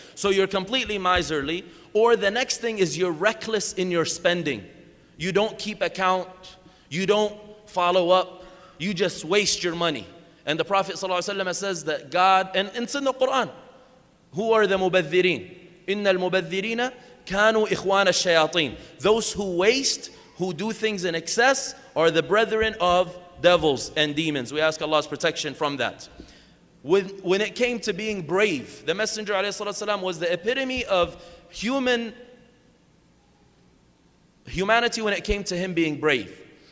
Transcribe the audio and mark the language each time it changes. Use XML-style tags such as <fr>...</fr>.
<en>So you're completely miserly, or the next thing is you're reckless in your spending. You don't keep account, you don't follow up, you just waste your money. And the Prophet sallallahu alaihi wasallam says that God, and it's in the Quran, who are the mubadhirin?</en> <ar>Inna al-mubadhirina كانوا إخوان الشياطين.</ar> <en>Those who waste, who do things in excess, are the brethren of devils and demons. We ask Allah's protection from that. When it came to being brave, the Messenger ﷺ was the epitome of humanity when it came to him being brave.</en>